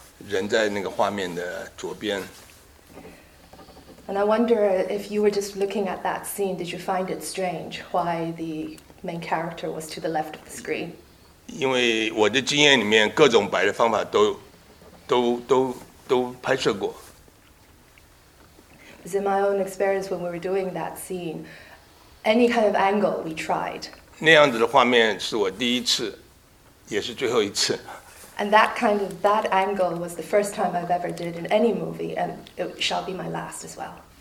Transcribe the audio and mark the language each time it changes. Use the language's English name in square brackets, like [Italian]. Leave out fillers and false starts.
[Chinese] 不知道刚刚大家记不记得那个镜头，就是很奇怪哈，人在那个画面的左边。 [English] And I wonder if you were just looking at that scene, did you find it strange why the main character was to the left of the screen? [Chinese] 因为我的经验里面，各种摆的方法都拍摄过。 [English] Because in my own experience, when we were doing that scene, any kind of angle we tried. [Chinese] 那样子的画面是我第一次，也是最后一次。 [English] And that kind of, that angle was the first time I've ever did in any movie, and it shall be my last as well.